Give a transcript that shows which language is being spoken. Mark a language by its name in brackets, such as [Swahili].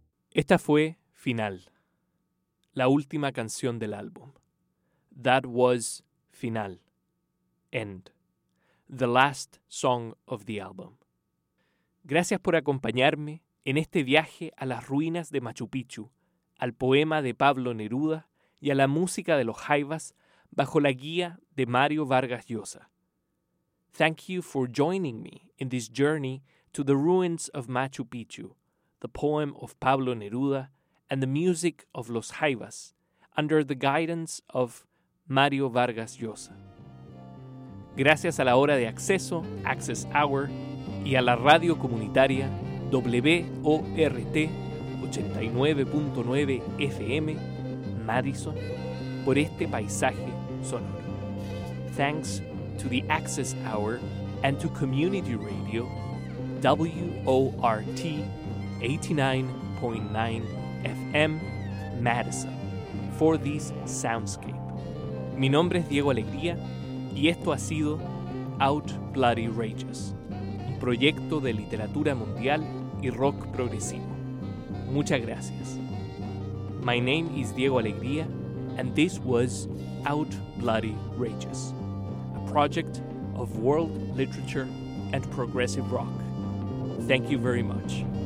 [Spanish] Esta fue Final, la última canción del álbum. [English] That was Final, End, the last song of the album. [Spanish] Gracias por acompañarme en este viaje a las ruinas de Machu Picchu, al poema de Pablo Neruda y a la música de los Jaivas bajo la guía de Mario Vargas Llosa. [English] Thank you for joining me in this journey to the ruins of Machu Picchu, the poem of Pablo Neruda, and the music of Los Jaivas, under the guidance of Mario Vargas Llosa. [Spanish] Gracias a la Hora de Acceso, Access Hour, y a la radio comunitaria WORT 89.9 FM, Madison, por este paisaje sonoro. [English] Thanks to the Access Hour and to Community Radio, WORT 89.9 FM, Madison, for this soundscape. [Spanish] Mi nombre es Diego Alegría y esto ha sido Out-Bloody-Rageous, un proyecto de literatura mundial y rock progresivo. Muchas gracias. [English] My name is Diego Alegría and this was Out-Bloody-Rageous, a project of world literature and progressive rock. Thank you very much.